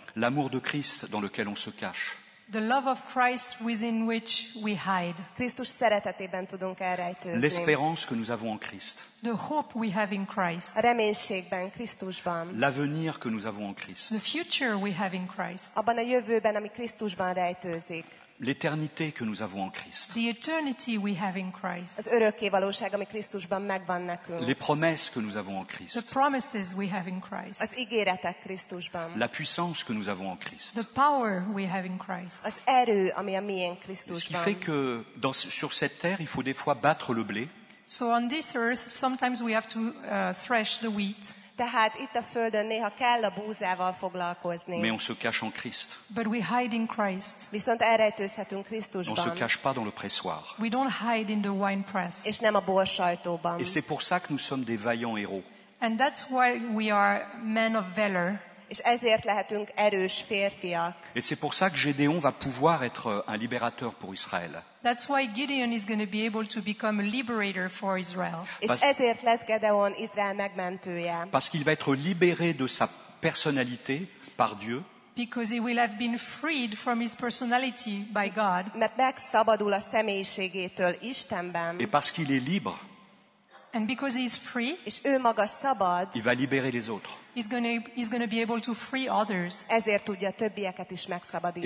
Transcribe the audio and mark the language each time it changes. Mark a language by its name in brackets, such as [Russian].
[French] L'amour de Christ dans lequel on se cache. [English] The love of Christ within which we hide. [Hungarian] Krisztus szeretetében tudunk elrejtőzni. [French] L'espérance que nous avons en Christ. [English] The hope we have in Christ. [Hungarian] A reménységben, Krisztusban. [French] L'avenir que nous avons en Christ. [English] The future we have in Christ. [Hungarian] Abban a jövőben, ami Krisztusban rejtőzik. [French] L'éternité que nous avons en Christ. [English] The eternity we have in Christ. [Hungarian] Az örökkévalóság, ami Krisztusban megvan nekünk. [French] Les promesses que nous avons en Christ. [English] The promises we have in Christ. [Hungarian] Az ígéretek Krisztusban. [French] La puissance que nous avons en Christ. [English] The power we have in Christ. [Hungarian] Az erő, ami a miénk Krisztusban. [French] Ce qui fait que sur cette terre, il faut des fois battre le blé. [English] So on this earth, sometimes we have to thresh the wheat. [Hungarian] Tehát itt a földön néha kell a búzával foglalkozni. [French] Mais on se cache en Christ. [English] But we hide in Christ. [Hungarian] Viszont elrejtőzhetünk Krisztusban. [French] On se cache pas dans le pressoir. [English] We don't hide in the wine press. [Hungarian] És nem a borsajtóban. [French] Et c'est pour ça que nous sommes des vaillants héros. [English] And that's why we are men of valor. [Hungarian] És ezért lehetünk erős férfiak. [French] Et c'est pour ça que Gédéon va pouvoir être un libérateur pour Israël. [English] That's why Gideon is going to be able to become a liberator for Israel. [Hungarian] És ezért lesz Gédéon Izrael megmentője. [French] Parce qu'il va être libéré de sa personnalité par Dieu. [English] Because he will have been freed from his personality by God. [Hungarian] Mert megszabadul a személyiségétől Istenben. [French] Et parce qu'il est libre. [English] And because he is free, [Hungarian] és ő maga szabad, [French] il va libérer les autres. [English] He's going to be able to free others. [Hungarian] Ezért tudja többieket is megszabadítani.